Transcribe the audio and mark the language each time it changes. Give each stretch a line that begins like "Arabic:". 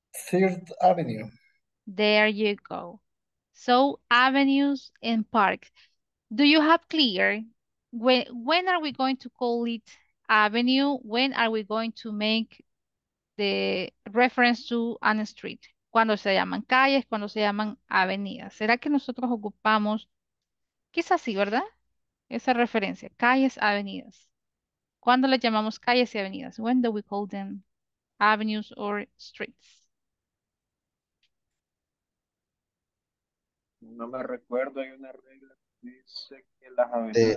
English: 3rd Avenue. There you go. So avenues and parks. Do you have clear? When are we going to call it avenue? When are we going to make the reference to an street?
Spanish: Cuando se llaman calles, cuando se llaman avenidas. ¿Será que nosotros ocupamos? Quizás sí, ¿verdad? Esa referencia, calles, avenidas. ¿Cuándo le llamamos calles y avenidas?
English: When do we call them avenues or streets?
Spanish: No me recuerdo, hay una regla que dice que las avenidas